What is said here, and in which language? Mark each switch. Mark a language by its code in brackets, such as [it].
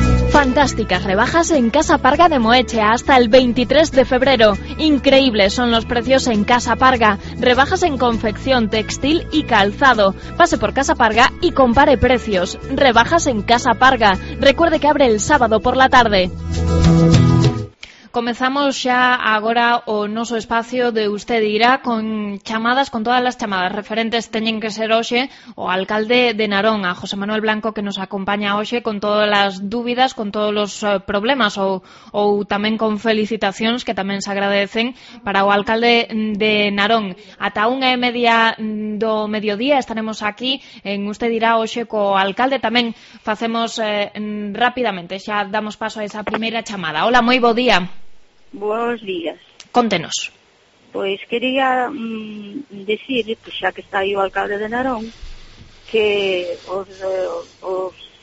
[es] Fantásticas rebajas en Casa Parga de Moeche hasta el 23 de febrero. Increíbles son los precios en Casa Parga. Rebajas en confección, textil y calzado. Pase por Casa Parga y compare precios. Rebajas en Casa Parga. Recuerde que abre el sábado por la tarde. [gl] Comezamos xa agora o noso espacio de Usted Irá con chamadas, con todas as chamadas referentes teñen que ser hoxe o alcalde de Narón, a José Manuel Blanco, que nos acompaña hoxe con todas as dúbidas, con todos os problemas ou tamén con felicitacións que tamén se agradecen para o alcalde de Narón. Ata unha e media do mediodía estaremos aquí en Usted Irá hoxe co alcalde. Tamén facemos rápidamente, xa damos paso a esa primeira chamada. Hola, moi bo día. [es] Buenos días. [gl] Contenos. [es] Pues quería decir, pues ya que está ahí el alcalde de Narón, que os